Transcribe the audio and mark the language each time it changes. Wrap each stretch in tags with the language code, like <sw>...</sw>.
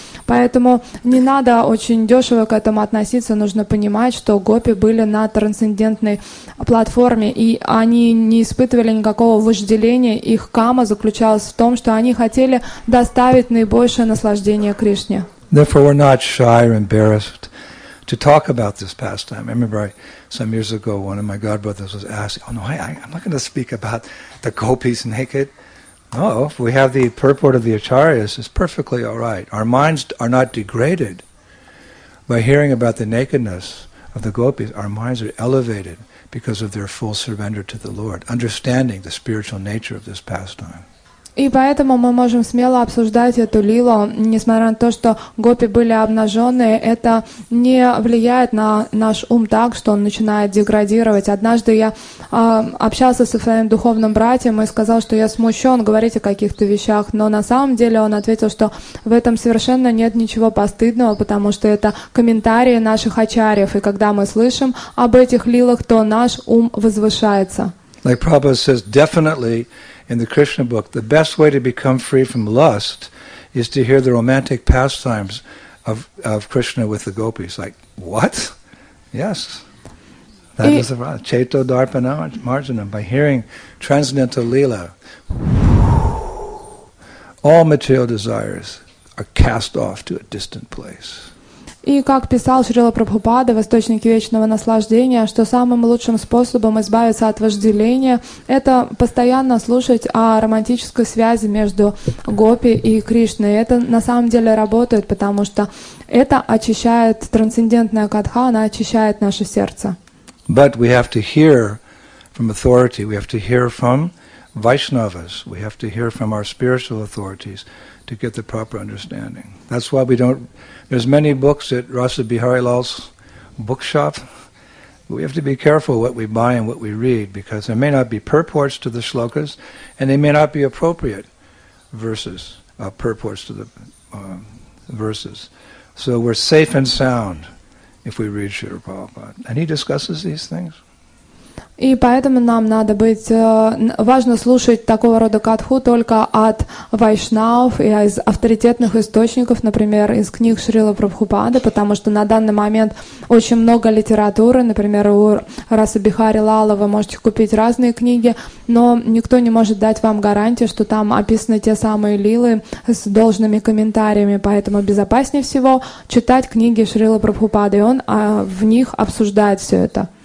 <ru>Поэтому не надо очень дешево к этому относиться, нужно понимать, что гопи были на трансцендентной платформе, и они не испытывали никакого вожделения, их кама заключалась в том, что они хотели доставить наибольшее наслаждение Кришне.</ru> <en>Therefore, we're not shy or embarrassed to talk about this pastime. I remember some years ago, one of my godbrothers was asked, oh no, I'm not going to speak about the gopis naked. No, if we have the purport of the Acharyas, it's perfectly all right. Our minds are not degraded by hearing about the nakedness of the gopis. Our minds are elevated because of their full surrender to the Lord, understanding the spiritual nature of this pastime.</en> <ru>И поэтому мы можем смело обсуждать эту лилу, несмотря на то, что гопи были обнажены, это не влияет на наш ум так, что он начинает деградировать. Однажды я общался со своим духовным братьем и сказал, что я смущен говорить о каких-то вещах, но на самом деле он ответил, что в этом совершенно нет ничего постыдного, потому что это комментарии наших ачарьев, и когда мы слышим об этих лилах, то наш ум возвышается.</ru> <en>Like Prabhupada says, definitely, in the Krishna book, the best way to become free from lust is to hear the romantic pastimes of Krishna with the gopis. Like, what? Yes. That is the problem. Cheto Darpana Marjanam. By hearing transcendental lila, all material desires are cast off to a distant place.</en> <ru>И как писал Шрила Прабхупада в «Источнике вечного наслаждения», что самым лучшим способом избавиться от вожделения — это постоянно слушать о романтической связи между гопи и Кришной. Это на самом деле работает, потому что это очищает трансцендентная катха, она очищает наше сердце.</ru> <en>But we have to hear from authority, we have to hear from Vaishnavas, we have to hear from our spiritual authorities to get the proper understanding. That's why we don't... There's many books at Rasa Bihari Lal's bookshop. We have to be careful what we buy and what we read, because there may not be purports to the shlokas, and they may not be appropriate verses, purports to the verses. So we're safe and sound if we read Srila Prabhupada. And he discusses these things.</en> <ru>И поэтому нам надо быть, важно слушать такого рода катху только от вайшнав и из авторитетных источников, например, из книг Шрила Прабхупады, потому что на данный момент очень много литературы, например, у Раса Бихари Лала вы можете купить разные книги, но никто не может дать вам гарантии, что там описаны те самые лилы с должными комментариями, поэтому безопаснее всего читать книги Шрила Прабхупады, и он в них обсуждает все это.</ru>